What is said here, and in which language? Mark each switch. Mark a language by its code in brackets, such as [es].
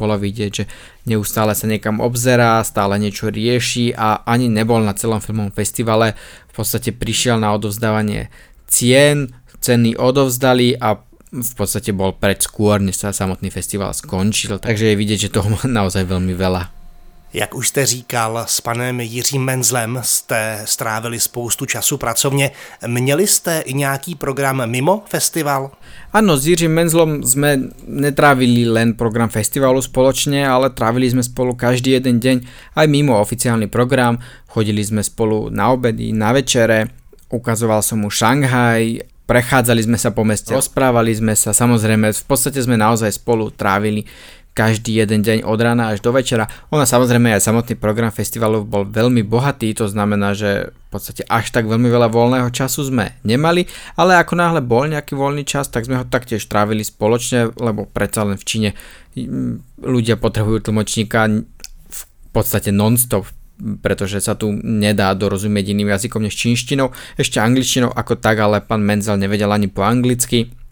[sk] Bolo vidieť, že neustále sa niekam obzerá, stále niečo rieši a ani nebol na celom filmovom festivale, v podstate prišiel na odovzdávanie cien, ceny odovzdali a v podstate bol preč skôr, než sa samotný festival skončil, takže je vidieť, že toho má naozaj veľmi veľa. [cs] Jak už jste říkal, s panem Jiřím Menzlem jste strávili spoustu času pracovně. Měli jste i nějaký program mimo festival? Ano, s Jiřím Menzlem jsme netrávili [sk] len [cs] program festivalu společně, ale trávili jsme spolu každý jeden den, [sk] aj [cs] mimo oficiální program. Chodili jsme spolu na obedy, na večere, ukazoval jsem mu Šanghaj, [sk] prechádzali [cs] jsme se po městě, [sk] rozprávali [cs] jsme se, samozřejmě v podstatě jsme [sk] naozaj [cs] spolu trávili každý jeden [sk] deň [cs] od rána až do večera. [sk] Ona samozrejme aj samotný program festivalu bol veľmi bohatý, to znamená, že v podstate až tak veľmi veľa voľného času sme nemali, ale ako náhle bol nejaký voľný čas, tak sme ho taktiež trávili spoločne, lebo predsa len v Číne ľudia potrebujú tlmočníka v podstate non-stop, pretože sa tu nedá dorozumieť iným jazykom než čínštinou, ešte angličtinou ako tak, ale pán Menzel nevedel ani po anglicky.